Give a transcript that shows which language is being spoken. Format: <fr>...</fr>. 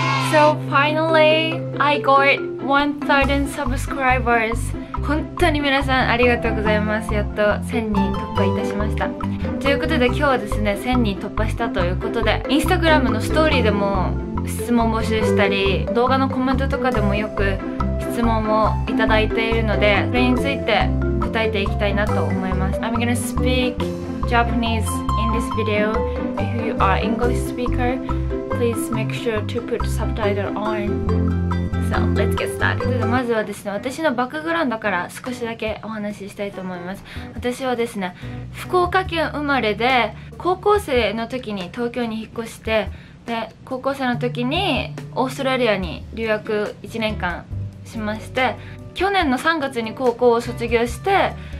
<en>So finally, I got 1000 subscribers.</en> <ja>本当に皆さんありがとうございます。やっと1000人突破いたしました。ということで今日はですね、1000人突破したということで、インスタグラムのストーリーでも質問募集したり、動画のコメントとかでもよく質問をいただいているので、それについて答えていきたいなと思います。</ja> <en>I'm gonna speak Japanese in this video. If you are English speaker, please make sure to put subtitle onLet's get started.</en> <ja>まずはですね、私のバックグラウンドから少しだけお話ししたいと思います。私はですね、福岡県生まれで、高校生の時に東京に引っ越して、で高校生の時にオーストラリアに留学1年間しまして、去年の3月に高校を卒業して、</ja>